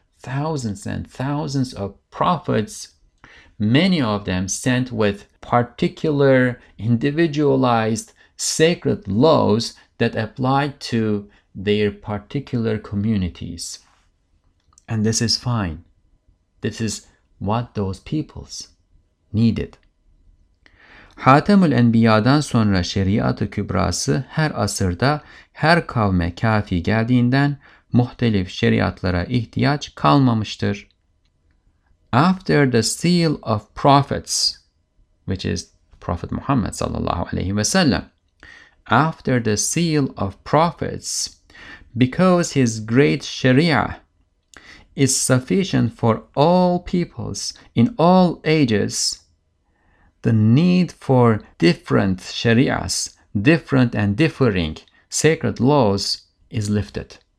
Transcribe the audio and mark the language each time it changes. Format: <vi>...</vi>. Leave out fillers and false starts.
<en>Thousands and thousands of prophets, many of them sent with particular, individualized, sacred laws that apply to their particular communities. And this is fine. This is what those peoples needed.</en> <tr>Hatemül Enbiya'dan sonra şeriat-ı kübrası her asırda her kavme kafi geldiğinden muhtelif şeriatlara ihtiyaç kalmamıştır.</tr> <en>After the seal of prophets, which is Prophet Muhammad</en> <ar>sallallahu aleyhi ve sellem,</ar> <en>after the seal of prophets, because his great sharia is sufficient for all peoples in all ages, the need for different sharias, different and differing sacred laws is lifted.</en>